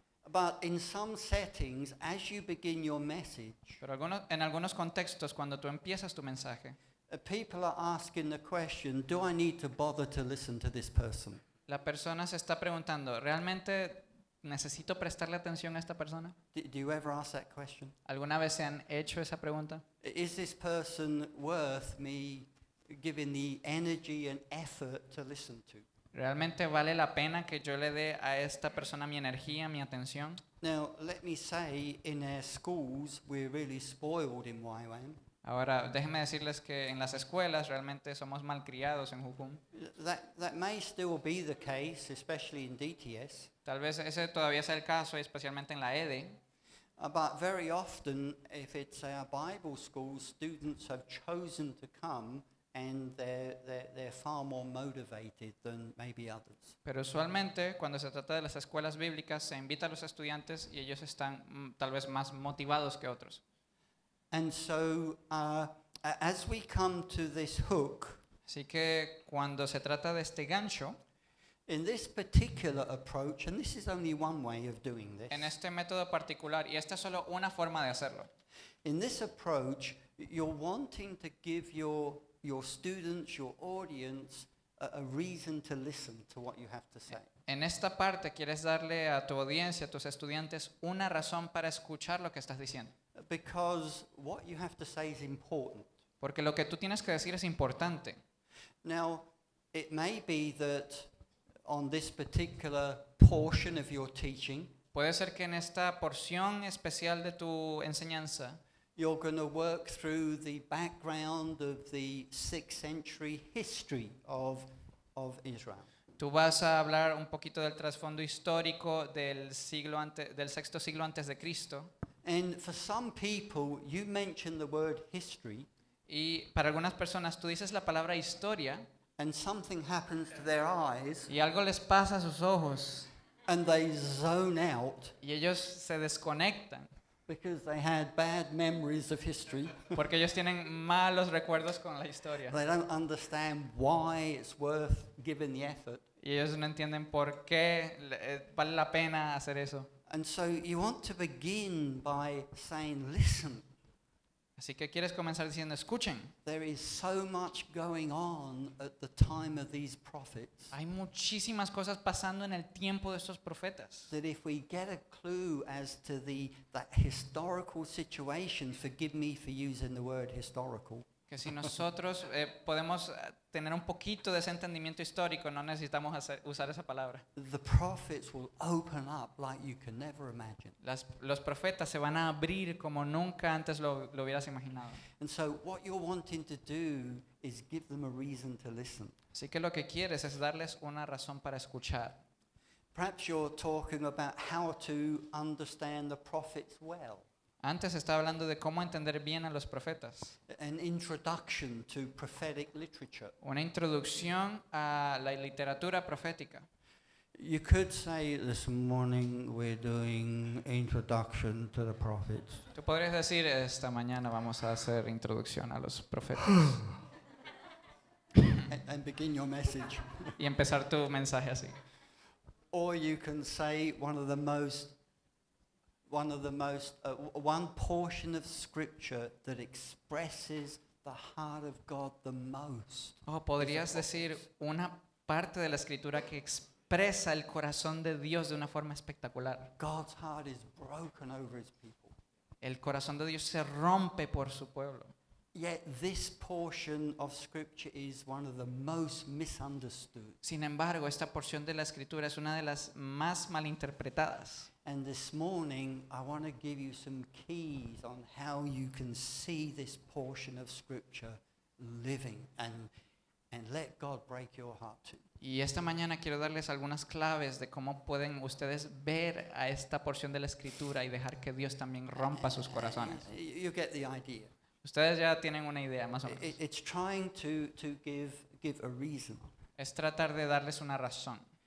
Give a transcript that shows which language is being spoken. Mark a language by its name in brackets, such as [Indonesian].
[English] But in some settings, as you begin your message, [Spanish] pero en algunos contextos, cuando tú empiezas tu mensaje, [English] people are asking the question, do I need to bother to listen to this person? [Spanish] La persona se está preguntando, ¿realmente necesito prestarle atención a esta persona? [English] Do you ever ask that question? [Spanish] ¿Alguna vez se han hecho esa pregunta? [English] Is this person worth me giving the energy and effort to listen to? [Spanish] ¿Realmente vale la pena que yo le dé a esta persona mi energía, mi atención? [English] Now, let me say, in our schools, we're really spoiled in YWAM. [Spanish] Ahora, déjenme decirles que en las escuelas realmente somos malcriados en Jukum. [English] That may still be the case, especially in DTS. [Spanish] Tal vez ese todavía sea el caso, especialmente en la ED. [English] But very often, if it's our Bible school, students have chosen to come and they're far more motivated than maybe others. [Spanish] Pero usualmente, cuando se trata de las escuelas bíblicas, se invita a los estudiantes y ellos están tal vez más motivados que otros. [English] And so, as we come to this hook, [Spanish] así que cuando se trata de este gancho, [English] in this particular approach, and this is only one way of doing this, [Spanish] en este método particular, y esta es solo una forma de hacerlo, [English] in this approach, you're wanting to give your students, your audience, a reason to listen to what you have to say. [Spanish] En esta parte quieres darle a tu audiencia, a tus estudiantes, una razón para escuchar lo que estás diciendo. [English] Because what you have to say is important. [Spanish] Porque lo que tú tienes que decir es importante. [English] Now, it may be that on this particular portion of your teaching, [Spanish] puede ser que en esta porción especial de tu enseñanza, [English] you're going to work through the background of the 6th century history of Israel. [Spanish] Tú vas a hablar un poquito del trasfondo histórico del sexto siglo antes de Cristo. [English] And for some people, you mention the word history. [Spanish] Y para algunas personas, tú dices la palabra historia. [English] And something happens to their eyes. [Spanish] Y algo les pasa a sus ojos. [English] And they zone out. [Spanish] Y ellos se desconectan. [English] Because they had bad memories of history. [Spanish] Porque ellos tienen malos recuerdos con la historia. [English] They don't understand why it's worth giving the effort. [Spanish] Y ellos no entienden por qué vale la pena hacer eso. [English] And so you want to begin by saying, listen. [Spanish] Así que quieres comenzar diciendo, escuchen. [English] There is so much going on at the time of these prophets. [Spanish] Hay muchísimas cosas pasando en el tiempo de estos profetas. [English] That if we get a clue as to the historical situation, forgive me for using the word historical. [Spanish] Que si nosotros podemos tener un poquito de ese entendimiento histórico, no necesitamos hacer, usar esa palabra. [English] The prophets will open up like you can never imagine. [Spanish] Los profetas se van a abrir como nunca antes lo hubieras imaginado. [English] And so what you're wanting to do is give them a reason to listen. [Spanish] Así que lo que quieres es darles una razón para escuchar. [English] Perhaps you're talking about how to understand the prophets well. [Spanish] Antes estaba hablando de cómo entender bien a los profetas. [English] An introduction to prophetic literature. [Spanish] Una introducción a la literatura profética. [English] You could say this morning we're doing introduction to the prophets. [Spanish] Tú podrías decir esta mañana vamos a hacer introducción a los profetas. [English] And begin your message. [Spanish] Y empezar tu mensaje así. [English] Or you can say one portion of scripture that expresses the heart of God the most. [Spanish] Oh, podrías decir una parte de la escritura que expresa el corazón de Dios de una forma espectacular. [English] God's heart is broken over his people. [Spanish] El corazón de Dios se rompe por su pueblo. [English] Yet this portion of scripture is one of the most misunderstood. [Spanish] Sin embargo, esta porción de la escritura es una de las más malinterpretadas. [English] And this morning I want to give you some keys on how you can see this portion of scripture living and let God break your heart too. [Spanish] Y esta mañana quiero darles algunas claves de cómo pueden ustedes ver a esta porción de la escritura y dejar que Dios también rompa sus corazones. [English] You get the idea. [Spanish] Ustedes ya tienen una idea más o menos. [English] It's trying to give a reason. [Spanish] Es tratar de darles una razón.